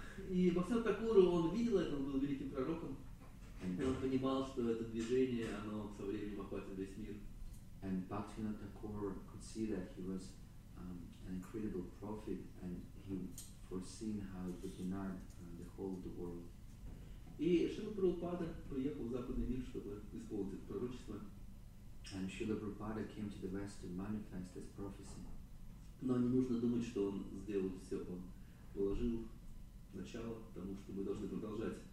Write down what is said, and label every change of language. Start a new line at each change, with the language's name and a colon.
Russian: И Бхактивинод Тхакур, он видел это, он был великим пророком, и он понимал, что это движение, оно со временем охватит весь мир.
English: And Bhaktivinoda Thakur could see that he was an incredible prophet, and he foreseen how it would unite the whole of the world.
Russian: И Шрила Прабхупада приехал в Западный мир, чтобы исполнить это пророчество.
English: And Шрила Прабхупада came to the West to manifest this prophecy.
Russian: Но не нужно думать, что он сделал все, он положил начало тому, что мы должны продолжать.